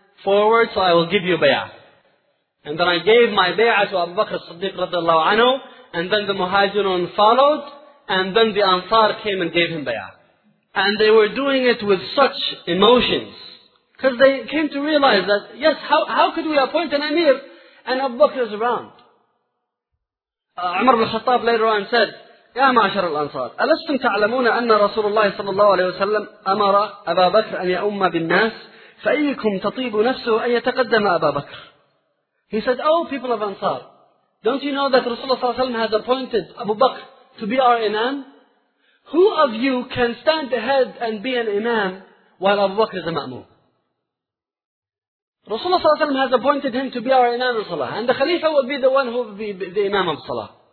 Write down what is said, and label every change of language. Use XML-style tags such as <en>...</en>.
<en>forward, so I will give you bay'ah. And then I gave my bay'ah to Abu Bakr as-Siddiq radiallahu anhu, and then the Muhajirun followed, and then the Ansar came and gave him bay'ah. And they were doing it with such emotions, because they came to realize that, yes, how could we appoint an emir, and Abu Bakr is around? Umar ibn al-Khattab later on said,</en> <ar>يا معشر الأنصار ألستم تعلمون أن رسول الله صلى الله عليه وسلم أمر أبا بكر أن يأم بالناس فأيكم تطيب نفسه أن يتقدم أبا بكر.</ar> <en>He said, oh people of Ansar, don't you know that Rasulullah صلى الله عليه وسلم has appointed Abu Bakr to be our imam? Who of you can stand ahead and be an imam while Abu Bakr is a ma'mum? Rasulullah صلى الله عليه وسلم has appointed him to be our imam in salah, and the Khalifa will be the one who will be the imam of salah.</en>